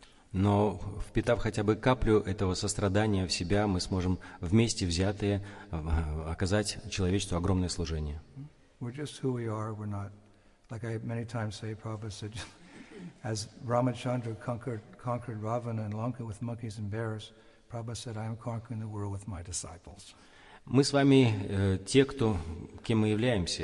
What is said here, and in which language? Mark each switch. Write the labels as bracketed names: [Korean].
[Russian] Но впитав хотя бы каплю этого сострадания в себя, мы сможем вместе взятые оказать человечеству огромное служение. [English] We're just who we are. We're not, like I many times say, Prabhupada said, as Ramachandra conquered Ravana and Lanka with monkeys and bears, Prabhupada said, I am conquering the world with my disciples. [Russian] Мы с вами те, кем мы являемся.